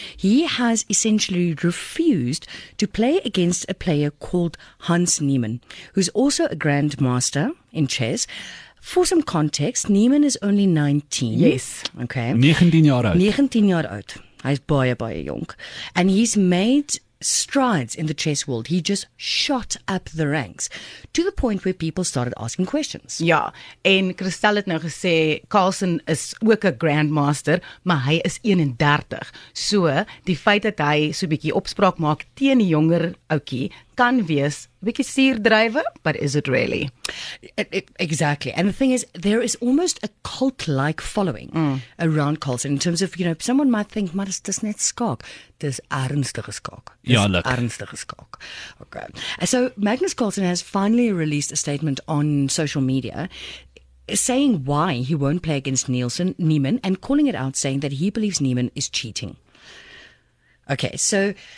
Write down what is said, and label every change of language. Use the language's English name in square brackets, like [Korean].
[English] He has essentially refused to play against a player called Hans Niemann, who's also a grandmaster in chess. For some context, Niemann is only 19. Yes. Okay. [Afrikaans] 19 jaar oud. 19 jaar oud. Hy's baie, baie jong. [English] And he's made... strides in the chess world. He just shot up the ranks to the point where people started asking questions. [Afrikaans] Ja, en Christelle het nou gesê, Carlsen is ook 'n grandmaster, maar hy is 31. So, die feit dat hy so 'n bietjie opspraak maak teen die jonger oukie, kan wees 'n bietjie suurdrywe, [English] but is it really? Exactly. And the thing is, there is almost a cult-like following around Carlsen in terms of, you know, someone might think, [Afrikaans] maar is dis net skaak. Dis ernstige skaak. [English] Ja, look. [Afrikaans] Ernstige skaak. Okay. [English] So Magnus Carlsen has finally released a statement on social media saying why he won't play against Niemann and calling it out, saying that he believes Niemann is cheating. Okay, so...